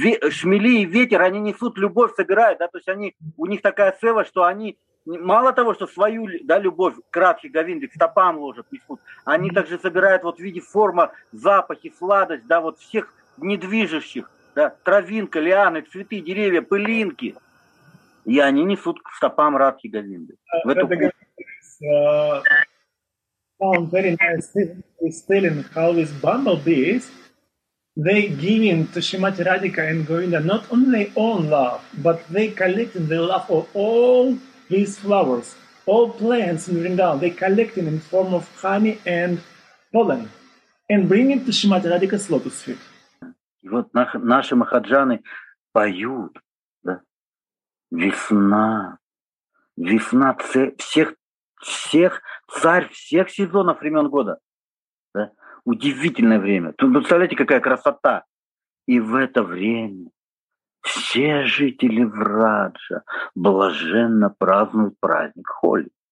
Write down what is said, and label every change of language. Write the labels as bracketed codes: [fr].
[ru] Шмели и ветер, они несут любовь, собирают, да, то есть они, у них такая сева, что они, мало того, что свою, да, любовь, кратки, говинды, к стопам ложат, несут, они также собирают вот в виде форма, запахи, сладость, да, вот всех недвижущих. Да, травинка, лианы, цветы, деревья, пылинки. И они несут к стопам Радхи Говинды. В эту [en] sound very nice. He's telling how these bumblebees, they giving to Shrimati Radhika and Govinda not only their own love, but they collecting the love of all these flowers, all plants in Vrindavan. They collecting in form of honey and pollen and bringing to Shrimati Radhika's lotus feet. [ru] И вот наши махаджаны поют, да, весна, весна, всех, царь всех сезонов времен года, да, удивительное время. Тут представляете, какая красота. И в это время все жители Враджа блаженно празднуют праздник Холи.